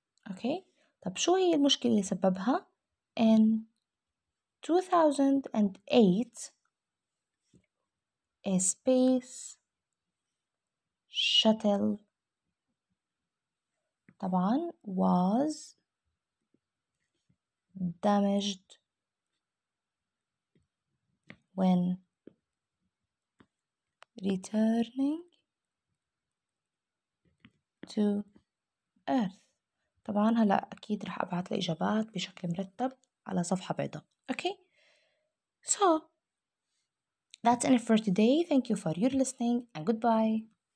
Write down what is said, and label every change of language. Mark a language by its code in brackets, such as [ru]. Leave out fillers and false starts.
[en] Okay, طب شو هي المشكلة اللي سببها؟ In 2008, a space shuttle, طبعاً, was damaged when returning to Earth. [ar] طبعاً هلا أكيد رح أبعث الإجابات بشكل مرتب على صفحة بعدة. [en] Okay, so that's it for today. Thank you for your listening and goodbye.